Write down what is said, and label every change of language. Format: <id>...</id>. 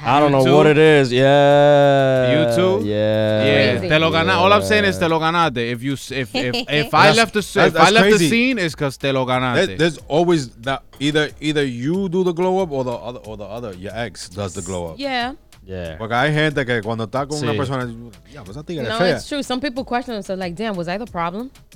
<en>I don't know what it is. Yeah. You too? Yeah.</en> <es>Te lo ganaste.</es> <en>All I'm saying is</en> <es>te lo ganaste.</es> <en>If I left the scene, it's because te lo ganaste. There's always that either you do the glow up or the other, your ex does the glow up. Yeah.</en> <es>Porque hay gente que cuando está con una persona, yeah, pues a ti que no, fea.</es> <en>It's true. Some people question themselves like, damn, was I the problem?</en>